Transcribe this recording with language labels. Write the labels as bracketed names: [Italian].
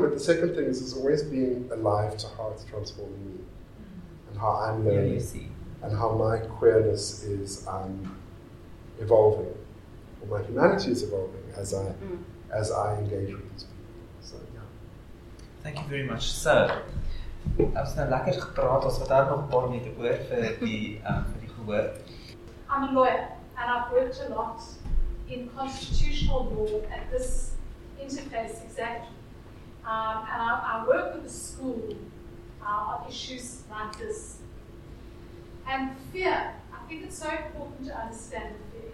[English] But the second thing is always being alive to how it's transforming me and how I'm learning and how my queerness is evolving, or my humanity is evolving as I engage with these people. So thank you very much, sir. [Afrikaans] Ons nou lekker gepraat, ons wat daar nog 'n paar minute oor vir die gehoor. [English] I'm a lawyer and I've worked a lot in constitutional law at this interface exactly. And I work with the school on issues like this. And fear, I think it's so important to understand the fear.